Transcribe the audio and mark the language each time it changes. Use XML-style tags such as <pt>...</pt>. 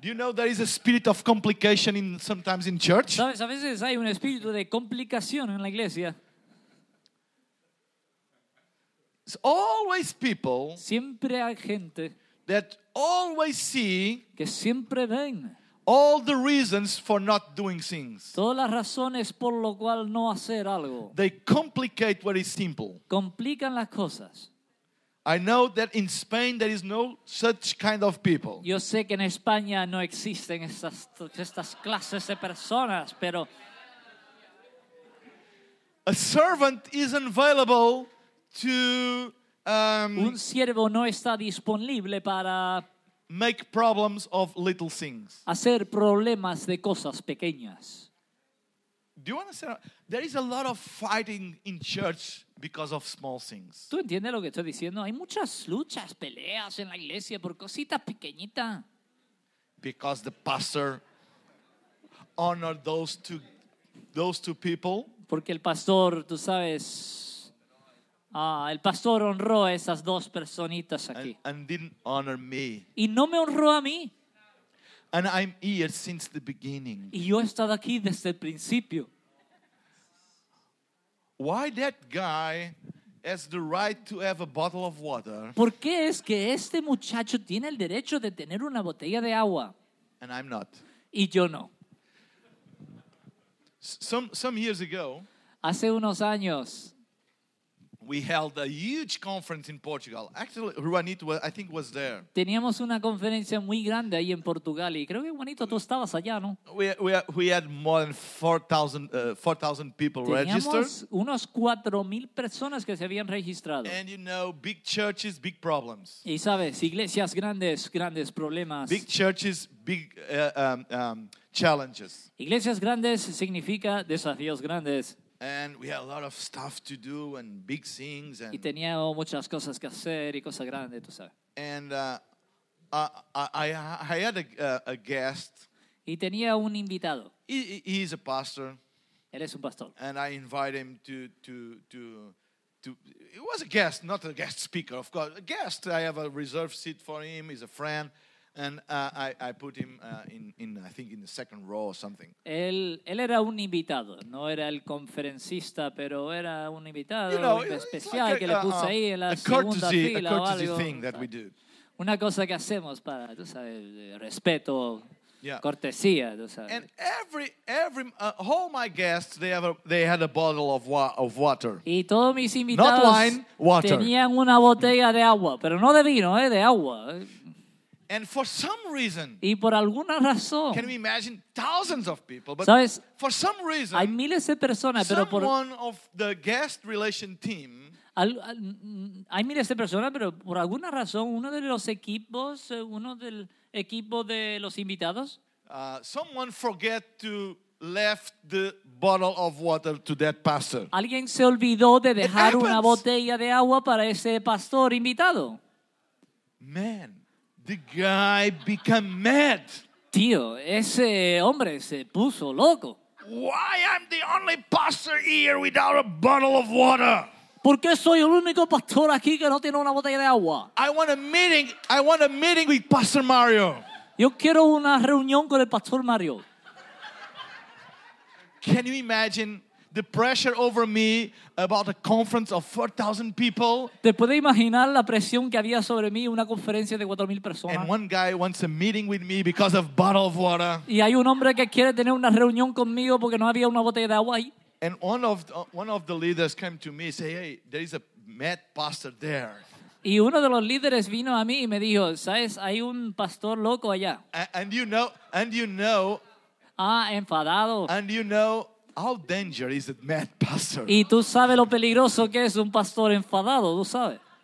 <en>Do you know there is a spirit of complication in sometimes in church?</en> <es>¿Sabes? A veces hay un espíritu de complicación en la iglesia.</es> <en>It's always people.</en> <es>Siempre hay gente</es> <en>that always see.</en> <es>Que siempre ven.</es> <en>All the reasons for not doing things.</en> <es>Todas las razones por lo cual no hacer algo.</es> <en>They complicate what is simple.</en> <es>Complican las cosas.</es> <en>I know that in Spain there is no such kind of people.</en> <es>Yo sé que en España no existen estas clases de personas, pero</es> <en>a servant is available to.</en> <es>Un siervo no está disponible para</es> <en>make problems of little things.</en> <es>Hacer problemas de cosas pequeñas.</es> <en>Do you understand? There is a lot of fighting in church because of small things.</en> <es>¿Tú entiendes lo que estoy diciendo? Hay muchas luchas, peleas en la iglesia por cositas pequeñitas.</es> <en>Because the pastor honored those two people.</en> <es>Porque el pastor, tú sabes, el pastor honró a esas dos personitas aquí.</es> <en>And didn't honor me.</en> <es>Y no me honró a mí.</es> <en>And I'm here since the beginning.</en> <es>Y yo he estado aquí desde el principio.</es> <en>Why that guy has the right to have a bottle of water?</en> <es>¿Por qué es que este muchacho tiene el derecho de tener una botella de agua?</es> <en>And I'm not.</en> <es>Y yo no.</es> <en>Some years ago.</en> <es>Hace unos años.</es> <en>We held a huge conference in Portugal. Actually, Juanito, I think, was there.</en> <es>Teníamos una conferencia muy grande ahí en Portugal y creo que Juanito tú estabas allá, ¿no?</es> <en>We had more than 4,000 people</en> <es>Teníamos</es> <en>registered.</en> <es>Teníamos unos 4,000 personas que se habían registrado.</es> <en>And you know, big churches, big problems.</en> <es>Y sabes, iglesias grandes, grandes problemas.</es> <en>Big churches, big challenges.</en> <es>Iglesias grandes significa desafíos grandes.</es> <en>And we had a lot of stuff to do and big things.</en> <es>Y tenía muchas cosas que hacer y cosas grandes, tú sabes.</es> <en>And I had a guest.</en> <es>Y tenía un invitado.</es> <en>He's a pastor.</en> <es>Él es un pastor.</es> <en>And I invited him to. It was a guest, not a guest speaker, of course. A guest. I have a reserved seat for him. He's a friend. And I put him in I think in the second row or something.</en> <es>Él era un invitado, no era el conferencista, pero era un invitado especial que le puse ahí en la segunda fila o algo.</es> <en>A courtesy thing that we do.</en> <es>Una cosa que hacemos para, tú sabes, respeto. Yeah. Cortesía, tú sabes.</es> <en>And all my guests, they had a bottle of water.</en> <es>Y todos mis invitados,</es> <en>not wine, water.</en> <es>Tenían una botella de agua, pero no de vino, de agua.</es> <en>And for some reason,</en> <es>y por alguna razón,</es> <en>can we imagine thousands of people? But</en> <es>sabes,</es> <en>for some reason,</en> <es>hay miles de personas, pero por</es> <en>someone of the guest relation team.</en> <es>Hay miles de personas, pero por alguna razón, uno del equipo de los invitados.</es> <en>Someone forget to left the bottle of water to that pastor.</en> <es>Alguien se olvidó de dejar una botella de agua para ese pastor invitado.</es> <en>Man. The guy became mad.</en> <es>Tío, ese hombre se puso loco.</es> <en>Why am I the only pastor here without a bottle of water?</en> <es>¿Por qué soy el único pastor aquí que no tiene una botella de agua?</es> <en>I want a meeting with Pastor Mario.</en> <es>Yo quiero una reunión con el Pastor Mario.</es> <en>Can you imagine the pressure over me about a conference of 4,000 people?</en> <es>¿Te puedes imaginar la presión que había sobre mí una conferencia de 4,000 personas?</es> <en>And one guy wants a meeting with me because of a bottle of water.</en> <es>Y hay un hombre que quiere tener una reunión conmigo porque no había una botella de agua ahí.</es> <en>And one of the leaders came to me and said, hey, there is a mad pastor there.</en> <es>Y uno de los líderes vino a mí y me dijo, ¿sabes? Hay un pastor loco allá.</es> <en>And you know.</en> <es>Ah, enfadado.</es> <en>And you know. How dangerous is a mad pastor?</en> <es>Y tú sabes lo peligroso que es un pastor enfadado, tú sabes.</es>